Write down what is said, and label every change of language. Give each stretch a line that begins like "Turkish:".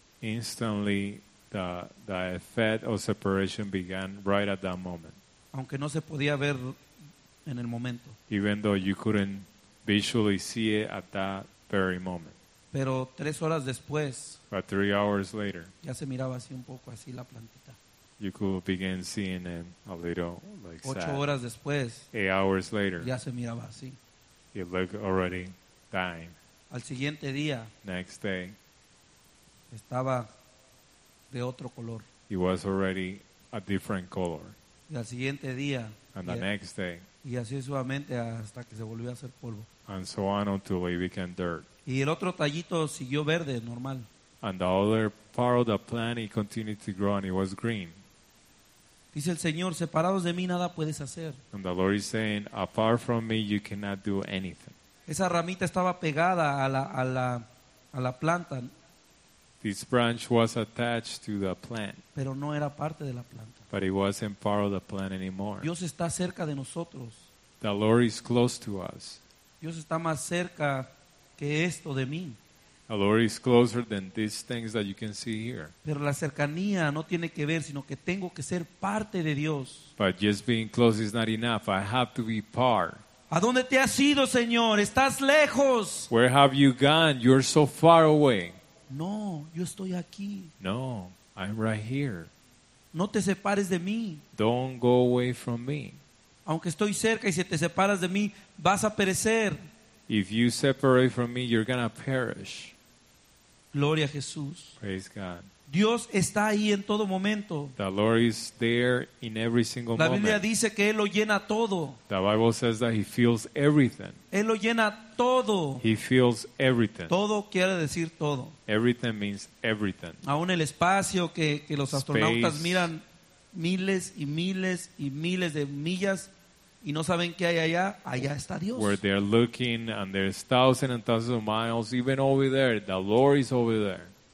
English: Instantly, the effect of separation began right at that moment.
Spanish: Aunque no se podía ver en el momento.
English: Even though you couldn't visually see it at that very moment.
Spanish: Pero 3 horas después,
English: but 3 hours later,
Spanish: ya se miraba así un poco así la plantita.
English: You could begin seeing it a little like that.
Spanish: 8 horas después,
English: 8 hours later,
Spanish: ya se miraba así.
English: It looked already dying.
Spanish: Al siguiente día,
English: next day,
Spanish: estaba de otro color.
English: It was already a different color.
Spanish: Y al siguiente día,
English: and the next day,
Spanish: y así sucesivamente hasta que se volvió a hacer polvo.
English: And so on until it became dirt.
Spanish: Y el otro tallito siguió verde, normal.
English: And the other part of the plant, it continued to grow and it was green.
Spanish: Dice el Señor, separados de mí nada puedes hacer.
English: And the Lord is saying, apart from me you cannot do anything.
Spanish: Esa ramita estaba pegada a la planta.
English: This branch was attached to the plant.
Spanish: Pero no era parte de la planta.
English: But it wasn't part of the plant anymore.
Spanish: Dios está cerca de nosotros.
English: The Lord is close to us.
Spanish: Dios está más cerca que esto de mí.
English: The Lord is closer than these things that you can see here.
Spanish: Pero la cercanía no tiene que ver, sino que tengo que ser parte de Dios.
English: But just being close is not enough. I have to be part.
Spanish: ¿A dónde te has ido, Señor? Estás lejos.
English: Where have you gone? You're so far away.
Spanish: No, yo estoy aquí.
English: No, I'm right here.
Spanish: No te separes de mí.
English: Don't go away from me.
Spanish: Aunque estoy cerca y si te separas de mí, vas a perecer.
English: If you separate from me, you're going to perish.
Spanish: Gloria a Jesús.
English: Praise God.
Spanish: Dios está ahí en todo momento.
English: The Lord is there in every single moment.
Spanish: La Biblia dice que Él lo llena todo.
English: The Bible says that He fills everything.
Spanish: Él lo llena todo.
English: He fills everything.
Spanish: Todo quiere decir todo.
English: Everything means everything.
Spanish: Aún el espacio que los astronautas miran miles y miles y miles de millas y no saben qué hay allá, allá está Dios.
English: Where they're looking and there's thousands and thousands of miles, even over there, the Lord is over there.